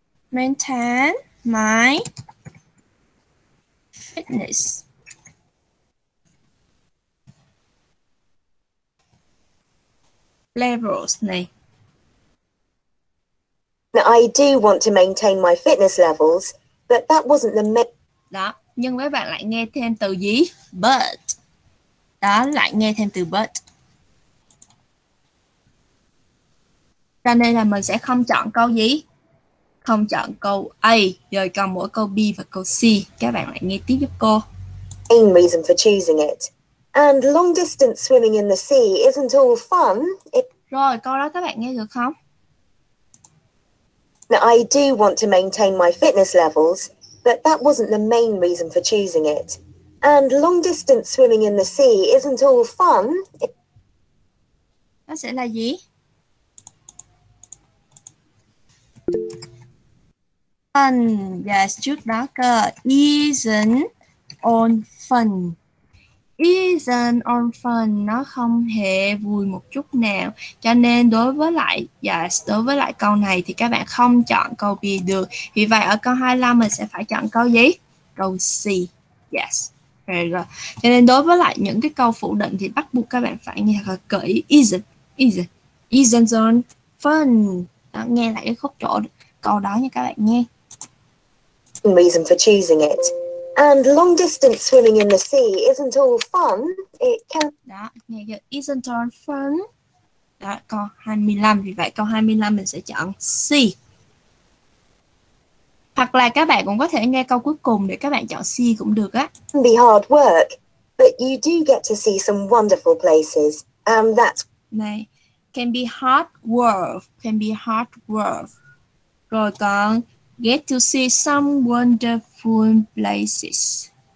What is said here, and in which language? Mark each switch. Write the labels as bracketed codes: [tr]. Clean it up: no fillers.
[en] Maintain my fitness. Levels, nay. I do want to maintain my fitness levels, but that wasn't the main. [vi] Đó, nhưng mấy bạn lại nghe thêm từ gì? But. Đó, lại nghe thêm từ but. Cho nên là mình sẽ không chọn câu gì? Không chọn câu A, rồi còn mỗi câu B và câu C. Các bạn lại nghe tiếp giúp cô. [en] Main reason for choosing it. And long distance swimming in the sea isn't all fun. It... [vi] Rồi, câu đó các bạn nghe được không? [en] Now, I do want to maintain my fitness levels, but that wasn't the main reason for choosing it. And long distance swimming in the sea isn't all fun. [vi] Nó sẽ là gì? [en] Fun. Yes, [vi] trước đó cơ. [en] Isn't all fun. Isn't all fun. [vi] Nó không hề vui một chút nào. Cho nên đối với lại yes, đối với lại câu này thì các bạn không chọn câu B được. Vì vậy ở câu 25 mình sẽ phải chọn câu gì? Câu C. [en] Yes. Very good. [vi] Cho nên đối với lại những cái câu phủ định thì bắt buộc các bạn phải nghe thật kỹ. [en] Isn't all fun. [vi] Đó, nghe lại cái khúc chỗ câu đó nha các bạn nghe. [en] Reason for choosing it. And long distance swimming in the sea isn't all fun. It can. [vi] Đó, nghe chưa? [en] Isn't all fun. [vi] Đó, câu 25. Vì vậy câu 25 mình sẽ chọn C. Hoặc là các bạn cũng có thể nghe câu cuối cùng để các bạn chọn C cũng được á. [en] Be hard work, but you do get to see some wonderful places, and that's. [vi] Này, [en] can be hard work, can be hard work. [vi] Rồi còn [en] get to see some wonderful places.